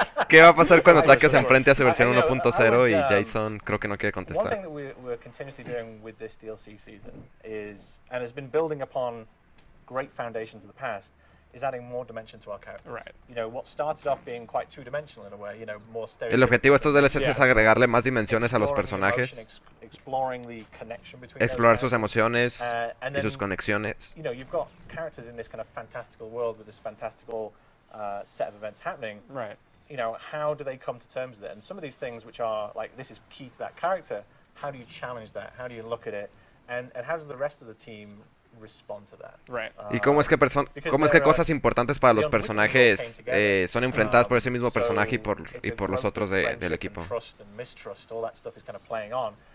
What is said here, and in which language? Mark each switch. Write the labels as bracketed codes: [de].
[es] ¿Qué va a pasar cuando Takeo se enfrente a su versión 1.0 y Jason creo que no quiere contestar? [en] One thing that we're continuously doing with this DLC season is, and has been building upon great foundations of the past, is adding more dimension to our characters. Right. You know, what started off being quite two-dimensional in a way, you know, more stereotypical. [es] El objetivo de estos DLCs es agregarle más dimensiones a los personajes. [en] Exploring the connection between [es] explorar sus emociones y sus conexiones. [en] You know, you've got characters in this kind of fantastical world with this fantastical set of events happening. Right. You know, how do they come to terms with it? And some of these things which are like, this is key to that character, how do you challenge that? How do you look at it? And how does the rest of the team respond to that? Right. [es] ¿Y cómo es que cosas importantes para los personajes son enfrentadas por ese mismo personaje y por los otros del equipo? [en] And trust and mistrust, all that stuff is kind of playing on.